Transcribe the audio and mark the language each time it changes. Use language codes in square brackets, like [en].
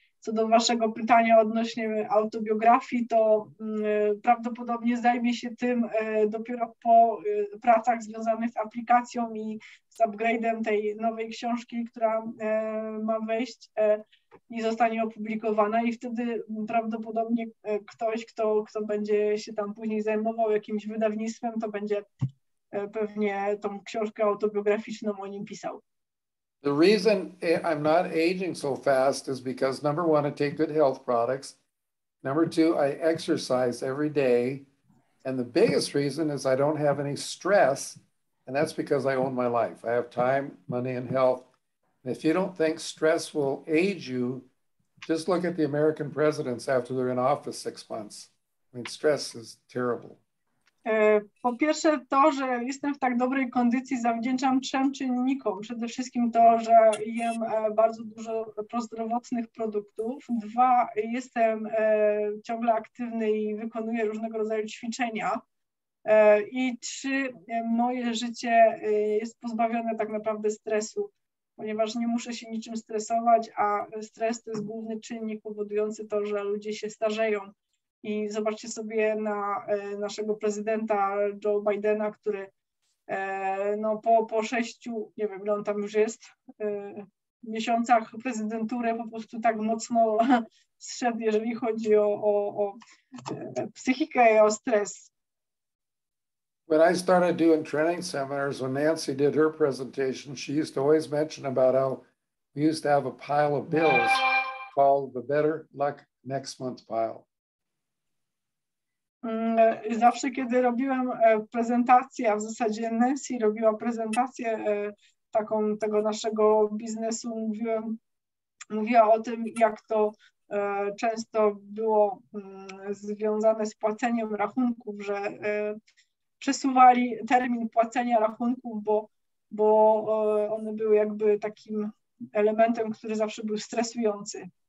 [pl] Co do waszego pytania odnośnie autobiografii, to prawdopodobnie zajmie się tym dopiero po pracach związanych z aplikacją i z upgrade'em tej nowej książki, która ma wejść i zostanie opublikowana. I wtedy prawdopodobnie ktoś, kto będzie się tam później zajmował jakimś wydawnictwem, to będzie pewnie tą książkę autobiograficzną o nim pisał. [en] The reason I'm not aging so fast is because number one, I take good health products. Number two, I exercise every day. And the biggest reason is I don't have any stress. And that's because I own my life. I have time, money, and health. And if you don't think stress will age you, just look at the American presidents after they're in office 6 months. I mean, stress is terrible. [pl] Po pierwsze to, że jestem w tak dobrej kondycji, zawdzięczam trzem czynnikom. Przede wszystkim to, że jem bardzo dużo prozdrowotnych produktów. Dwa, jestem ciągle aktywny i wykonuję różnego rodzaju ćwiczenia. I trzy, moje życie jest pozbawione tak naprawdę stresu, ponieważ nie muszę się niczym stresować, a stres to jest główny czynnik powodujący to, że ludzie się starzeją. I zobaczcie sobie na naszego prezydenta Joe Bidena, który no po sześciu, nie wiem, ile on tam już jest, miesiącach prezydentury po prostu tak mocno zszedł, jeżeli chodzi o psychikę i o stres. [en] When I started doing training seminars, when Nancy did her presentation, she used to always mention about how we used to have a pile of bills called the Better Luck Next Month pile. [pl] Zawsze, kiedy robiłem prezentację, a w zasadzie Nancy robiła prezentację taką tego naszego biznesu, mówiła o tym, jak to często było związane z płaceniem rachunków, że przesuwali termin płacenia rachunków, bo one były jakby takim elementem, który zawsze był stresujący.